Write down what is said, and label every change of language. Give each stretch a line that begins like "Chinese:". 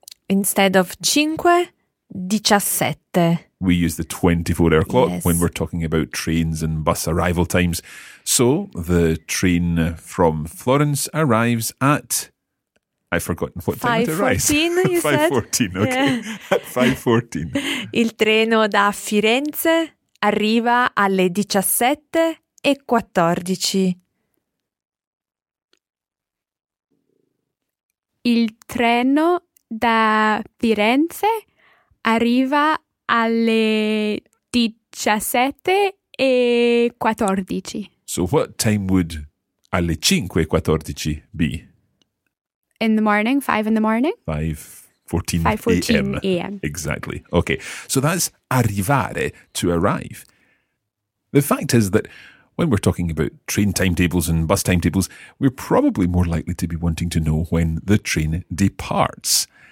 English: Instead of 5:17. We use the 24-hour clock, yes, when we're talking about trains and bus arrival times. So the train from Florence arrives at... I've forgotten what time it arrives. 5:14, you said. 5:14, okay. Yeah. At 5:14.
Italian: Il treno da Firenze arriva alle 17:14. Il treno da Firenze arriva alle 17:14.
English: So what time would
Italian: alle 5:14
English: be? In the morning, 5 in the morning? 5:14 a.m. Exactly. Okay, so that's arrivare, to arrive. The fact is that when we're talking about train timetables and bus timetables, we're probably more likely to be wanting to know when the train departs.